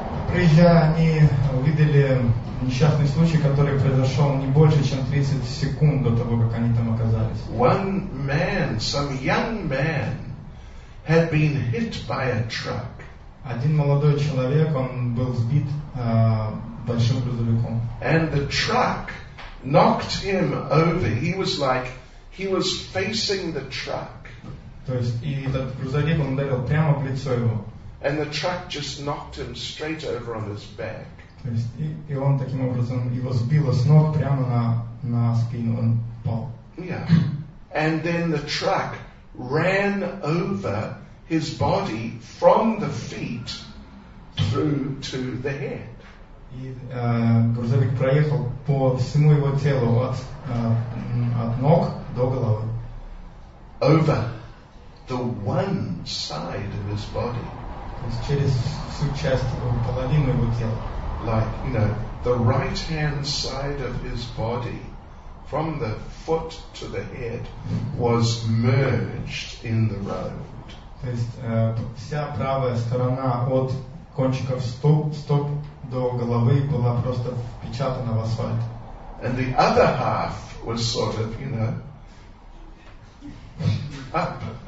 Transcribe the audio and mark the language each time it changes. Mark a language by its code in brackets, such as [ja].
[ru] Приезжая, они увидели несчастный случай, который произошел не больше, чем 30 секунд до того, как они там оказались. [en] One man, some young man, had been hit by a truck. [ru] Один молодой человек, он был сбит большим грузовиком. [en] And the truck knocked him over. He was like, he was facing the truck. [ru] То есть, и этот грузовик, он ударил прямо в лицо его. [en] And the truck just knocked him straight over on his back. [ru] То есть, и он таким образом его сбило с ног прямо на спину, он пал. [en] Yeah. And then the truck ran over his body from the feet through to the head. [ru] И грузовик проехал по всему его телу от ног до головы. [en] Over. the one side of his body. [ru] Через всю часть его, половину его тела. [en] Like, you know, the right hand side of his body, from the foot to the head, was merged in the road. [ru] То есть вся правая сторона от кончиков стоп до головы была просто впечатана в асфальт. [en] And the other half was sort of, you know, up.